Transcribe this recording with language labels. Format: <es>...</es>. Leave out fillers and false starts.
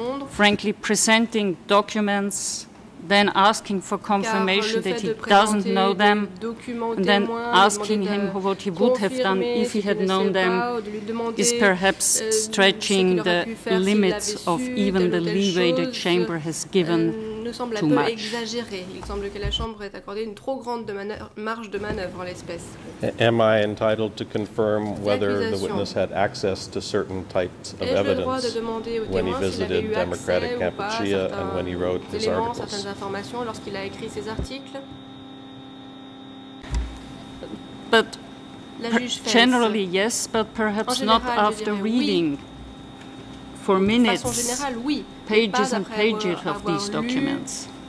<en>Frankly, presenting documents, then asking for confirmation that he doesn't know them, and then asking him what he would have done if he had known them, is perhaps stretching the limits of even the leeway the chamber has given too much.</en> <fr>Il semble que la chambre ait accordé une trop grande marge de manœuvre en l'espèce.</fr> <en>Am I entitled to confirm whether the witness had access to certain types of evidence when he visited Democratic Kampuchea and when he wrote his articles?</en> <fr>Informations lorsqu'il a écrit ses articles.</fr> <en>But generally, yes, but perhaps not after reading for minutes, pages and pages of these documents.</en>